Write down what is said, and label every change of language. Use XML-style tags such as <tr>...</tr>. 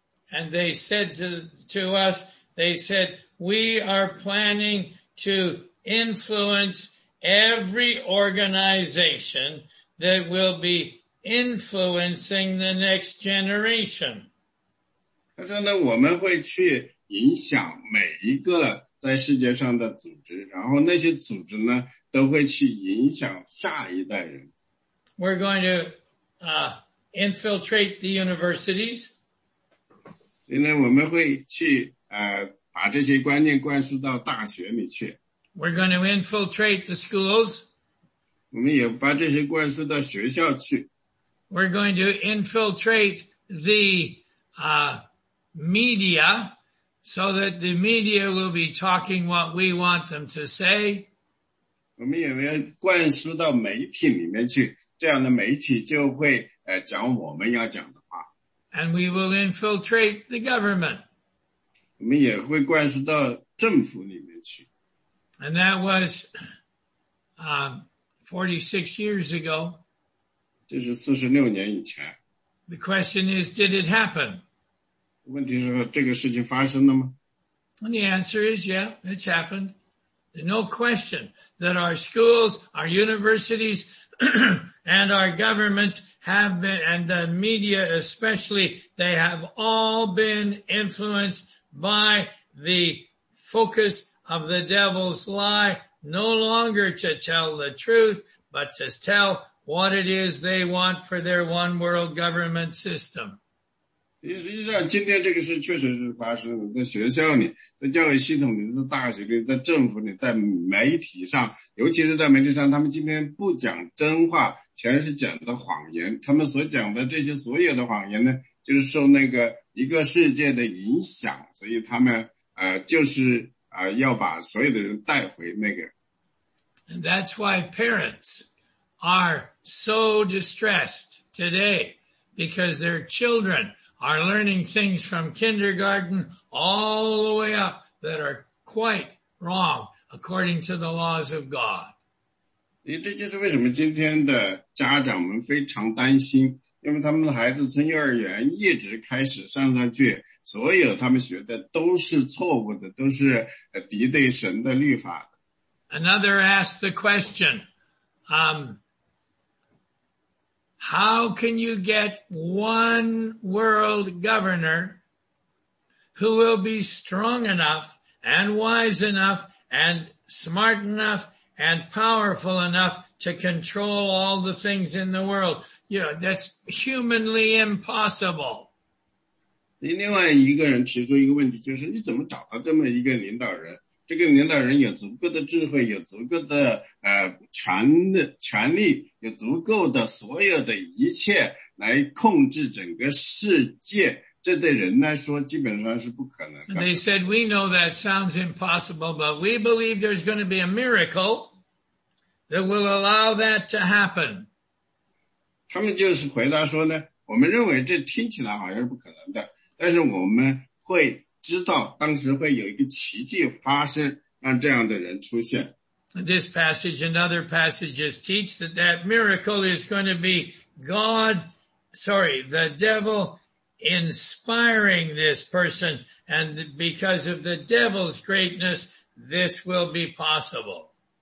<en>And they said to us, they said, we are planning to influence every organization that will be influencing the next generation.</en> <zh>他说呢我们会去影响每一个在世界上的组织然后那些组织呢都会去影响下一代人。</zh> <en>We're going to, infiltrate the universities.</en> <zh>所以呢我们会去把这些观念灌输到大学里去。</zh> <en>We're going to infiltrate the schools.</en> <zh>我们也把这些灌输到学校去。</zh> <en>We're going to infiltrate the, media so that the media will be talking what we want them to say.</en> <zh>我们也要灌输到媒体里面去这样的媒体就会讲我们要讲的话。</zh> <en>And we will infiltrate the government.</en> <zh>我们也会灌输到政府里面去。</zh> <en>And that was, 46 years ago.</en> <zh>这是46年以前。</zh> <en>The question is, did it happen?</en> <zh>问题是这个事情发生了吗?</zh> <en>And the answer is, yeah, it's happened. There's no question that our schools, our universities, and our governments have been, and the media especially, they have all been influenced by the focus of the devil's lie, no longer to tell the truth, but to tell what it is they want for their one world government system.</en> <zh>实际上今天这个事确实是发生了在学校里在教育系统里在大学里在政府里在媒体上尤其是在媒体上他们今天不讲真话全是讲的谎言他们所讲的这些所有的谎言呢就是受那个一个世界的影响所以他们就是要把所有的人带回那个。</zh> <en>And that's why parents are so distressed today, because their children are learning things from kindergarten all the way up that are quite wrong according to the laws of God.</en> <zh>这就是为什么今天的家长们非常担心，因为他们的孩子从幼儿园一直开始上去，所有他们学的都是错误的，都是敌对神的律法。</zh> <en>Another asked the question, how can you get one world governor who will be strong enough and wise enough and smart enough and powerful enough to control all the things in the world? You know, that's humanly impossible.</en> <zh>另外一个人提出一个问题，就是你怎么找到这么一个领导人？这个领导人有足够的智慧，有足够的权力，有足够的所有的一切来控制整个世界。这对人来说基本上是不可能。</zh> <en>And they said, we know that sounds impossible, but we believe there's going to be a miracle that will allow that to happen.</en> <zh>他们就是回答说呢，我们认为这听起来好像是不可能的，但是我们会知道当时会有一个奇迹发生，让这样的人出现。</zh> <en>This passage and other passages teach that that miracle is going to be the devil inspiring this person, and because of the devil's greatness, this will be possible.</en>